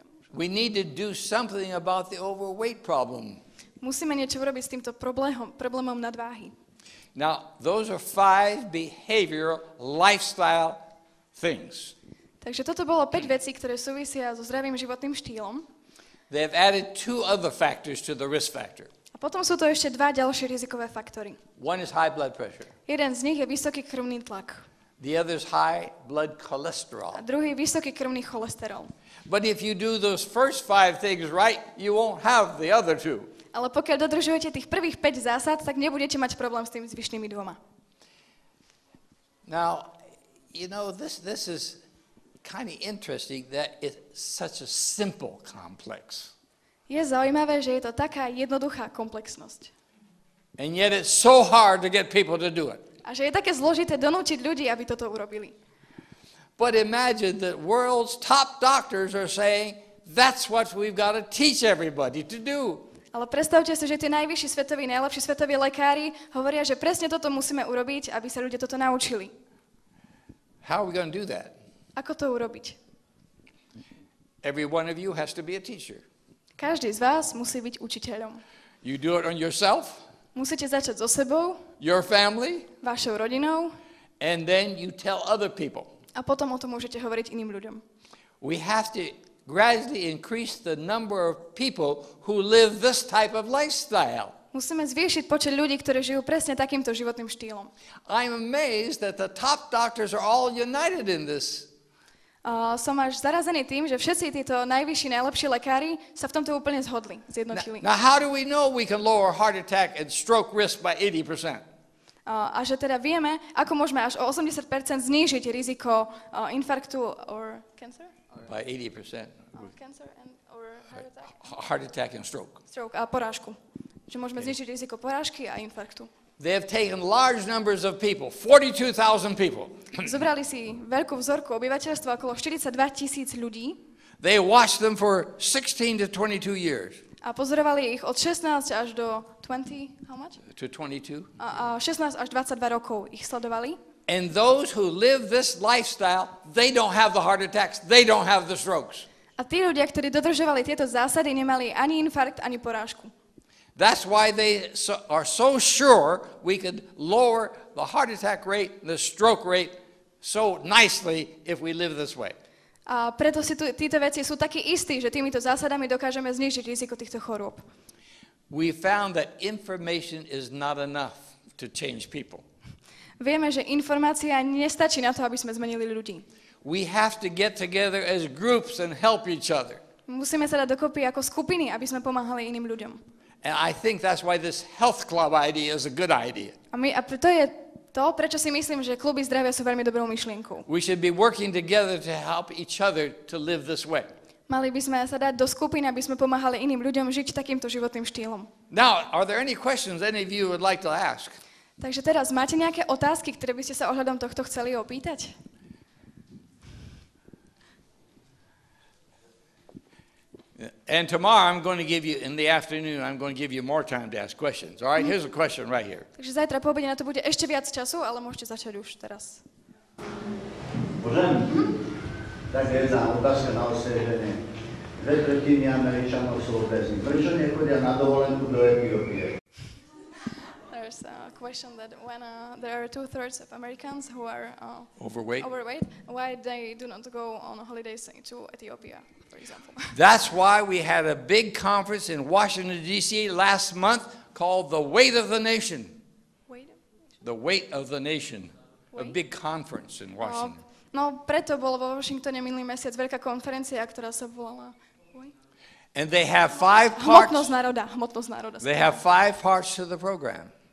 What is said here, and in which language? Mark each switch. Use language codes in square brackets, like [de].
[en] We need to do something about the overweight problem. [sk] Musíme niečo urobiť s týmto problémom nadváhy. [en] Now, those are five behavioral lifestyle things. [sk] Takže toto bolo 5 vecí, ktoré súvisia so zdravým životným štýlom. [en] They have added two other factors to the risk factor. [sk] A potom sú to ešte dva ďalšie rizikové faktory. [en] One is high blood pressure. [sk] Jeden z nich je vysoký krvný tlak. [en] The other is high blood cholesterol. [sk] A druhý vysoký krvný cholesterol. [en] But if you do those first five things right, you won't have the other two. [sk] Ale pokiaľ dodržujete tých prvých 5 zásad, tak nebudete mať problém s tým zvyšnými dvoma. [en] Now, you know, this is kind of interesting that it's such a simple complex. [sk] Je zaujímavé, že je to taká jednoduchá komplexnosť. [en] And yet it's so hard to get people to do it. [sk] A že je také zložité donútiť ľudí, aby toto urobili. [en] But imagine that world's top doctors are saying that's what we've got to teach everybody to do. [sk] Ale predstavte si, že tie najvyšší svetoví, najlepší svetoví lekári hovoria, že presne toto musíme urobiť, aby sa ľudia toto naučili. [en] How are we going to do that? [sk] Ako to urobiť? [en] Every one of you has to be a teacher. [sk] Každý z vás musí byť učiteľom. [en] You do it on yourself? [sk] Musíte začať so sebou. [en] Your family? [sk] Vašou rodinou. [en] And then you tell other people. [sk] A potom o tom môžete hovoriť iným ľuďom. [en] We have to gradually increase the number of people who live this type of lifestyle. [sk] Musíme zvýšiť počet ľudí, ktorí žijú presne takýmto životným štýlom. [en] I'm amazed that the top doctors are all united in this. [sk] Som až zarazený tým, že všetci títo najvyšší, najlepší lekári sa v tomto úplne zhodli, zjednotili. [en] Now how do we know we can lower heart attack and stroke risk by 80%? [sk] A že teda vieme, ako môžeme až o 80% znížiť riziko infarktu [en] or cancer? By 80%. Cancer and or heart attack? Heart attack and stroke. [sk] Stroke a porážku. Že môžeme znižiť riziko porážky a infarktu. [en] They have taken large numbers of people, 42,000 people. [sk] Zobrali si veľkú vzorku obyvateľstva, okolo 42 tisíc ľudí. [en] They watched them for 16 to 22 years. [sk] A pozorovali ich od 16 až do 20, [en] how much? To 22. [sk] A 16 až 22 rokov ich sledovali. [en] And those who live this lifestyle, they don't have the heart attacks, they don't have the strokes. [sk] A tí ľudia, ktorí dodržovali tieto zásady, nemali ani infarkt, ani porážku. [en] That's why they are so sure we could lower the heart attack rate, the stroke rate so nicely if we live this way. [sk] A preto si tieto veci sú také isté, že týmito zásadami dokážeme znížiť riziko týchto chorôb. [en] We found that information is not enough to change people. [sk] Vieme, že informácia nestačí na to, aby sme zmenili ľudí. [en] We have to get together as groups and help each other. [sk] Musíme sa dať dokopy ako skupiny, aby sme pomáhali iným ľuďom. [en] And I think that's why this health club idea is a good idea. [sk] A to je to, prečo si myslím, že kluby zdravia sú veľmi dobrou myšlienkou. [en] We should be working together to help each other to live this way. [sk] Mali by sme sa dať do skupiny, aby sme pomáhali iným ľuďom žiť takýmto životným štýlom. [en] Now, are there any questions any of you would like to ask? [sk] Takže teraz máte nejaké otázky, ktoré by ste sa ohľadom tohto chceli opýtať? [en] And tomorrow I'm going to give you in the afternoon I'm going to give you more time to ask questions. All right, here's a question right here. [sk] Takže zajtra po obede na to bude ešte viac času, ale môžete začať už teraz. Božem. Tak je za otázka na osvetlenie. Dve tretiny Američanov sú obezní. Prečo nechodia na dovolenku do Etiópie? [en] There's a question that when there are 2/3 of Americans who are overweight, why they do not go on holidays to Ethiopia, for example. That's why we had a big conference in Washington, D.C. last month called The Weight of the Nation. The Weight of the Nation. A big conference in Washington. [sk] No, preto bolo vo Washingtone minulý mesiac veľká konferencia, ktorá sa volala... [en] And they have five parts... [sk] Hmotnosť národa. Hmotnosť národa. [en] They have five parts to the program.